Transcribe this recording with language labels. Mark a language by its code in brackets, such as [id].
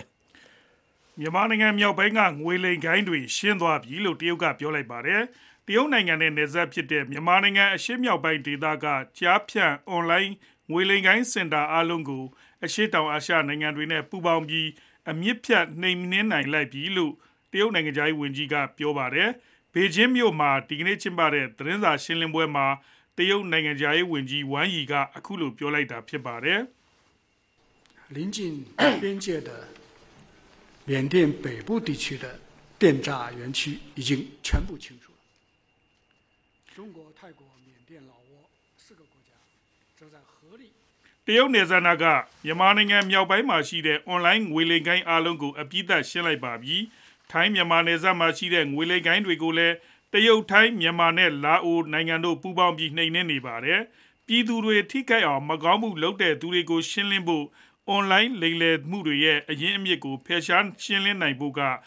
[my] ဗျမြန်မာနိုင်ငံမြောက်ပိုင်းကငွေလိမ်ကိုင်းတွေရှင်းသွားပြီလို့တရုတ်ကပြောလိုက်ပါတယ်တရုတ်နိုင်ငံနဲ့နယ်စပ်ဖြစ်တဲ့မြန်မာနိုင်ငံအရှေ့မြောက်ပိုင်းဒေသကကြားဖြန့်အွန်လိုင်းငွေလိမ်ကိုင်းစင်တာအလုံးကိုအရှေ့တောင်အာရှနိုင်ငံတွေနဲ့ပူးပေါင်းပြီးအမြင့်ဖြတ်နှိမ်နင်းနိုင်လိုက်ပြီလို့တရုတ်နိုင်ငံကြီးဝန်ကြီးကပြောပါတယ်ဘေကျင်းမြို့မှာဒီကနေ့ကျင်းပတဲ့သတင်းစာရှင်းလင်းပွဲမှာတရုတ်နိုင်ငံကြီးဝန်ကြီးဝမ်ယီကအခုလိုပြောလိုက်တာဖြစ်ပါတယ် [zh] 临近边界的缅甸北部地区的电诈园区已经全部清除中国泰国缅甸老挝四个国家正在合力 [my] တရုတ်နယ်စပ်နာကမြန်မာနိုင်ငံမြောက်ပိုင်းမှာရှိတဲ့အွန်လိုင်းငွေလိမ်ကိုင်းအလုံးကိုအပြည့်အစုံရှင်းလိုက်ပါပြီထိုင်းမြန်မာနယ်စပ်မှာရှိတဲ့ငွေလိမ်ကိုင်းတွေကိုလည်းတရုတ်ထိုင်းမြန်မာနဲ့လာအိုနိုင်ငံတို့ပူးပေါင်းပြီးနှိမ်နင်းနေပါတယ်ပြည်သူတွေထိခိုက်အောင်မကောင်းမှုလုပ်တဲ့သူတွေကိုရှင်းလင်းဖို့အွန်လိုင်းလိမ်လည်မှုတွေရဲ့အရင်းအမြစ်ကိုဖယ်ရှားရှင်းလင်းနိုင်ဖို့က